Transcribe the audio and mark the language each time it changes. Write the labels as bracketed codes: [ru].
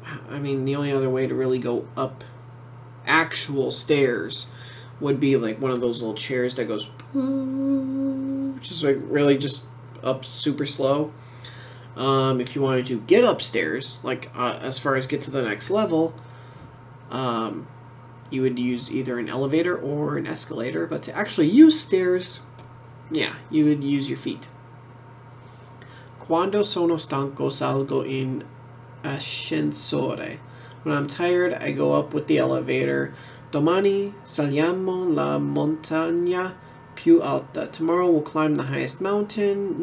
[en] I mean, the only other way to really go up actual stairs would be like one of those little chairs that goes, which is like really just up super slow. If you wanted to get upstairs, like as far as get to the next level, you would use either an elevator or an escalator, but to actually use stairs, yeah, you would use your feet. [it] Quando sono stanco salgo in ascensore. [en] When I'm tired, I go up with the elevator. [it] Domani saliamo la montagna più alta. [en] Tomorrow we'll climb the highest mountain.